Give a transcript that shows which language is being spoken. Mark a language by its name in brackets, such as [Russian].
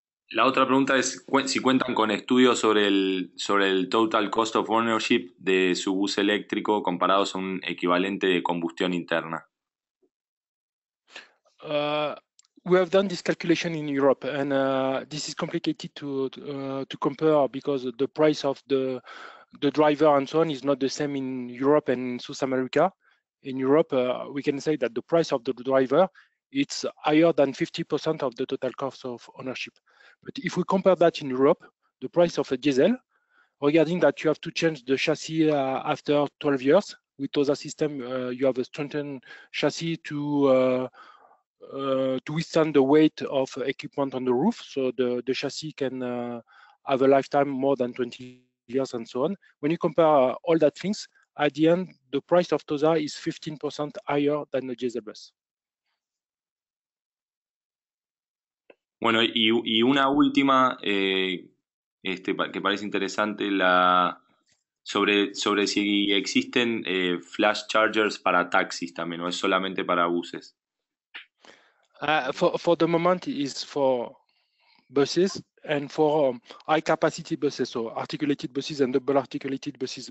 [Spanish] La otra pregunta es si cuentan con estudios sobre el [English] total cost of ownership [Spanish] de su bus eléctrico comparados a un equivalente de combustión interna. [English] we have done this calculation in Europe, and this is complicated to compare because the price of the driver and so on is not the same in Europe and South America. In Europe, we can say that the price of the driver, it's higher than 50% of the total cost of ownership. But if we compare that in Europe, the price of a diesel, regarding that you have to change the chassis after 12 years, with other system, you have a strengthened chassis to withstand the weight of equipment on the roof, so the chassis can have a lifetime more than 20 years and so on. When you compare all that things, at the end, the price of TOSA is 15% higher than the diesel bus. [Spanish] Bueno, y una última que parece interesante, sobre si existen flash chargers para taxis también, o es solamente para buses. [English] For the moment, it is for buses and for high capacity buses, so articulated buses and double articulated buses.